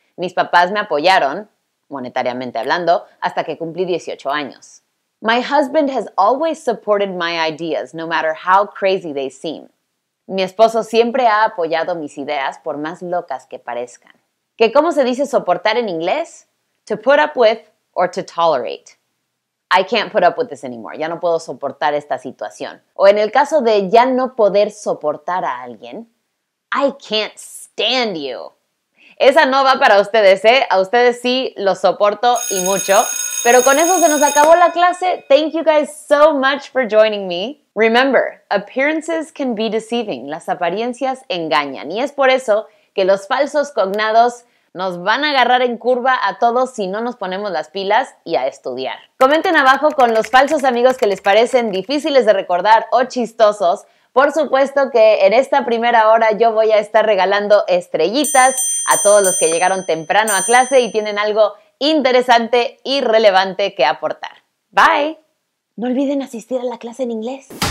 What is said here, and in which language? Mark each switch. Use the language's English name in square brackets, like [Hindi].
[Spanish] Mis papás me apoyaron, monetariamente hablando, hasta que cumplí 18 años. [English] My husband has always supported my ideas, no matter how crazy they seem. [Spanish] Mi esposo siempre ha apoyado mis ideas, por más locas que parezcan. ¿Qué cómo se dice soportar en inglés? [English] To put up with or to tolerate. I can't put up with this anymore. [Spanish] Ya no puedo soportar esta situación. O en el caso de ya no poder soportar a alguien, [English] I can't stand you. [Spanish] Esa no va para ustedes, ¿eh? A ustedes sí los soporto y mucho. Pero con eso se nos acabó la clase. [English] Thank you guys so much for joining me. Remember, appearances can be deceiving. [Spanish] Las apariencias engañan. Y es por eso que los falsos cognados nos van a agarrar en curva a todos si no nos ponemos las pilas y a estudiar. Comenten abajo con los falsos amigos que les parecen difíciles de recordar o chistosos. Por supuesto que en esta primera hora yo voy a estar regalando estrellitas a todos los que llegaron temprano a clase y tienen algo interesante y relevante que aportar. ¡Bye! No olviden asistir a la clase en inglés.